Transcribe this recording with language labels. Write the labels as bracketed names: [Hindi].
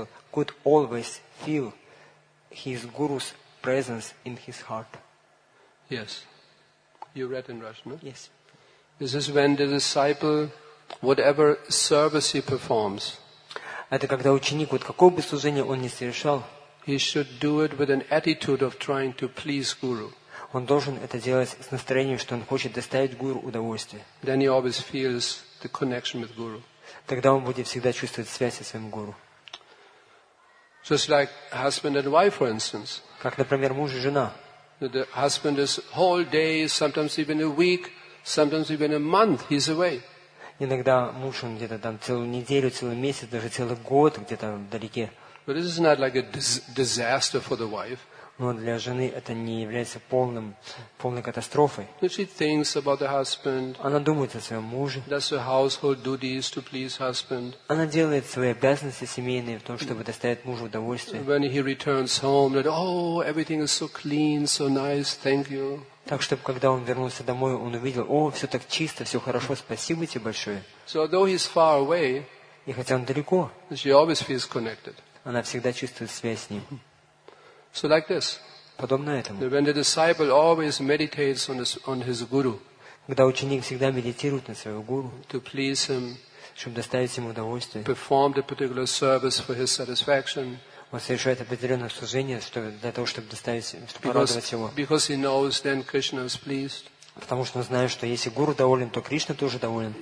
[English] could always feel his guru's presence in his heart. Yes. You read in Russian, no? Yes. This is when the disciple, whatever service he performs, [Russian] это когда ученик, вот какое бы служение он ни совершал, [English] he should do it with an attitude of trying to please guru. [Russian] Он должен это делать с настроением, что он хочет доставить гуру удовольствие. [English] Then he always feels the connection with guru. [Russian] Тогда он будет всегда чувствовать связь со своим гуру. [English] Just like husband and wife, for instance. [Russian] Как, например, муж и жена. [English] The husband is whole day, sometimes even a week, Sometimes even a month he's away. [Russian] Иногда муж он где-то там целую неделю, целый месяц, даже целый год где-то вдалеке. [English] But this is not like a disaster for the wife. [Russian] Но для жены это не является полной катастрофой. [English] But she thinks about the husband. [Russian] Она думает о своем муже. [English] Does her household duties to please husband. [Russian] Она делает свои обязанности семейные в том, чтобы доставить мужу удовольствие. [English] When he returns home, that everything is so clean, so nice, thank you. [Russian] Так чтобы когда он вернулся домой, он увидел: о, все так чисто, все хорошо, спасибо тебе большое. [English] So although he's far away, [Russian] и хотя он далеко, [English] she always feels connected. [Russian] Она всегда чувствует связь с ним. [English] So like this. [Russian] Подобно этому. [English] When the disciple always meditates on his guru, [Russian] когда ученик всегда медитирует на своего гуру, [English] to please him, [Russian] чтобы доставить ему удовольствие, [English] perform a particular service for his satisfaction, [Russian] он совершает определенное служение, для того, чтобы порадовать его. [English] Because he knows, then Krishna is pleased. [Russian] Потому что он знает, что если гуру доволен, то Кришна тоже доволен.